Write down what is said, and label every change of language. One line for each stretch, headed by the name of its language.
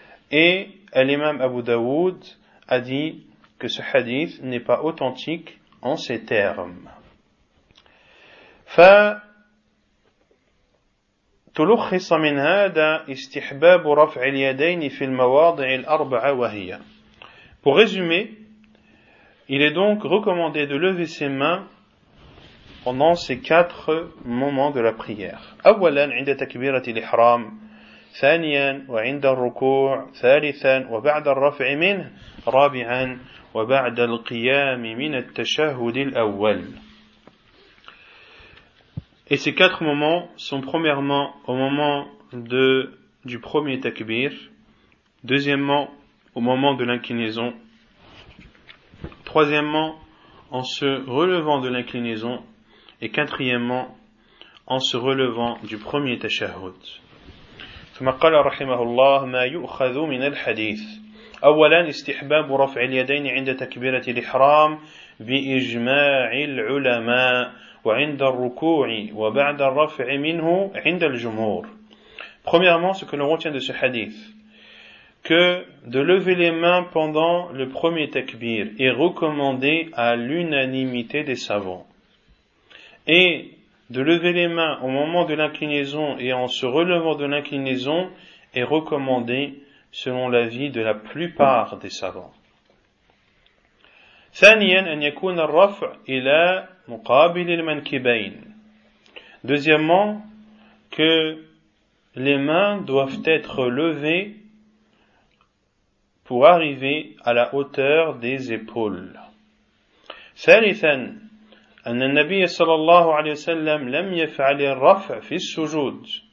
French: et l'imam Abu Dawood a dit que ce hadith n'est pas authentique en ces termes. »
Arabic: تلخص من هذا استحباب رفع اليدين في المواضع الأربعة وهي.
French: Pour résumer, il est donc recommandé de lever ses mains pendant ces quatre moments de la prière.
Arabic: أولا عند تكبيرة الإحرام، ثانيا وعند الركوع، ثالثا وبعد الرفع منه، رابعا وبعد القيام من التشهد الأول.
French: Et ces quatre moments sont premièrement au moment du premier takbir, deuxièmement au moment de l'inclinaison, troisièmement en se relevant de l'inclinaison, et quatrièmement en se relevant du premier tashahhud.
Arabic: ثم قال رحمه الله ما يؤخذ من الحديث أولا استحباب رفع اليدين عند تكبيرة الإحرام بإجماع العلماء وعند الركوع وبعد الرفع منه عند الجمهور.
French: Premièrement, ce que l'on retient de ce hadith, que de lever les mains pendant le premier takbir est recommandé à l'unanimité des savants. Et de lever les mains au moment de l'inclinaison et en se relevant de l'inclinaison est recommandé selon l'avis de la plupart des savants.
Arabic: ثانياً أن يكون الرفع إلى مقابل المنكبين.
French: Deuxièmement, que les mains doivent être levées pour arriver à la hauteur des épaules.
Arabic: ثالثاً أن النبي صلى الله عليه وسلم لم يفعل الرفع في السجود.